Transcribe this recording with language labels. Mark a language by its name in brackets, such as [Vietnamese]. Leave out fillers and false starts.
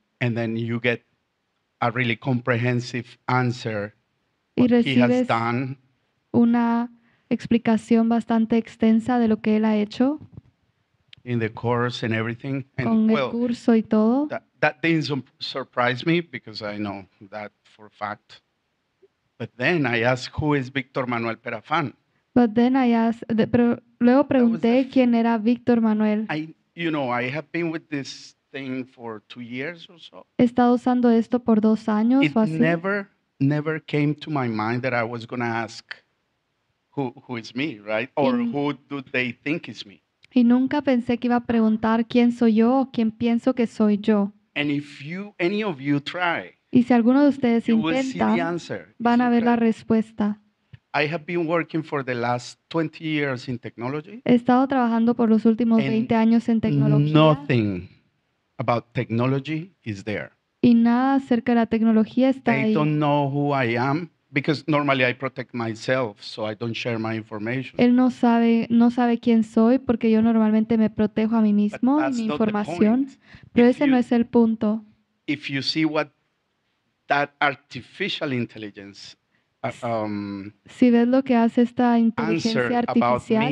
[English] And then you get a really comprehensive answer. [Spanish] Y recibes una explicación bastante extensa de lo que él ha hecho. [English] In the course and everything. And [Spanish] con el curso y todo. [English] That didn't surprise me because I know that for a fact. But then I asked who is Víctor Manuel Perafán. [Spanish] Pero luego pregunté quién era Víctor Manuel. [English] I have been with this thing for 2 years or so. [Spanish] He estado usando esto por 2 años [English] It [Spanish] o así. [English] Never came to my mind that I was going to ask who is me, right? Or who do they think is me? [Spanish] Y nunca pensé que iba a preguntar quién soy yo o quién pienso que soy yo. [English] And if you, any of you try, [Spanish] y si alguno de ustedes intenta, [English] will see the answer. [Spanish] Van a ver la respuesta. [English] I have been working for the last 20 years in technology. [Spanish] He estado trabajando por los últimos 20 años en tecnología. [English] Nothing about technology is there. [Spanish] Y nada acerca de la tecnología está ahí. [English] They don't know who I am because normally I protect myself, so I don't share my information. [Spanish] Él no sabe quién soy porque yo normalmente me protejo a mí mismo y mi información. Pero ese no es el punto. [English] If you see what that artificial intelligence, [Spanish] si ves lo que hace esta inteligencia artificial